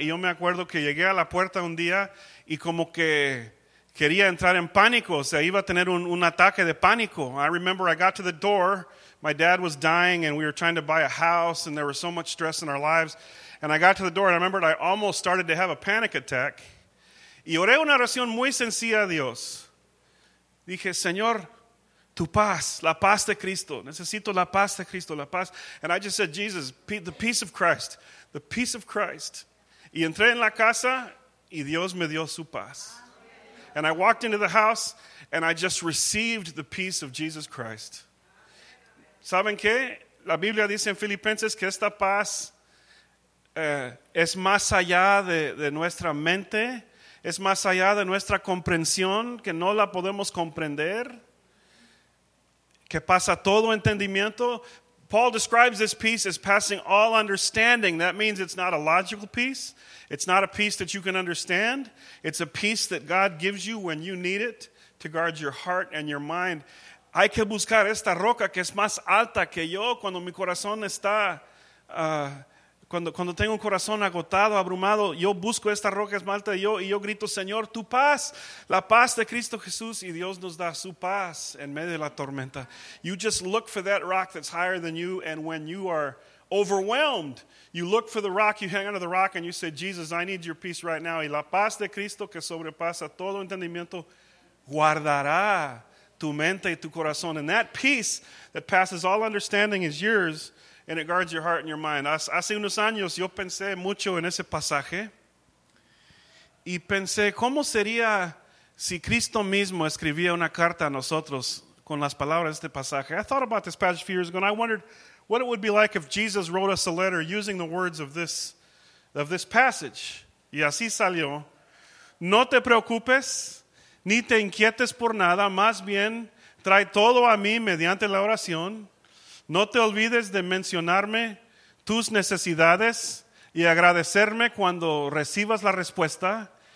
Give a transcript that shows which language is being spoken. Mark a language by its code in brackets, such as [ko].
[es] Y yo me acuerdo que llegué a la puerta un día y como que quería entrar en pánico. O sea, iba a tener un ataque de pánico. [en] I remember I got to the door. My dad was dying and we were trying to buy a house and there was so much stress in our lives. And I got to the door and I remembered I almost started to have a panic attack. [es] Y oré una oración muy sencilla a Dios. Dije, Señor, tu paz, la paz de Cristo. Necesito la paz de Cristo, la paz. [en] And I just said, Jesus, the peace of Christ, the peace of Christ. [es] Y entré en la casa y Dios me dio su paz. [en] And I walked into the house and I just received the peace of Jesus Christ. [es] ¿Saben qué? La Biblia dice en Filipenses que esta paz es más allá de nuestra mente. Es más allá de nuestra comprensión, que no la podemos comprender, que pasa todo entendimiento. [en] Paul describes this peace as passing all understanding. That means it's not a logical peace. It's not a peace that you can understand. It's a peace that God gives you when you need it to guard your heart and your mind. [es] Hay que buscar esta roca que es más alta que yo cuando mi corazón está... Cuando tengo un corazón agotado, abrumado, yo busco esta roca más alta de yo y yo grito, Señor, tu paz, la paz de Cristo Jesús, y Dios nos da su paz en medio de la tormenta. [en] You just look for that rock that's higher than you, and when you are overwhelmed, you look for the rock, you hang under the rock, and you say, Jesus, I need your peace right now. [es] Y la paz de Cristo que sobrepasa todo entendimiento guardará tu mente y tu corazón. [en] And that peace that passes all understanding is yours. And it guards your heart and your mind. [es] Hace unos años yo pensé mucho en ese pasaje. Y pensé, ¿cómo sería si Cristo mismo escribía una carta a nosotros con las palabras de este pasaje? I thought about this passage a few years ago. And I wondered what it would be like if Jesus wrote us a letter using the words of this passage. Y así salió. No te preocupes, ni te inquietes por nada. Más bien, trae todo a mí mediante la oración. No te olvides de mencionarme tus necesidades y agradecerme cuando recibas la respuesta.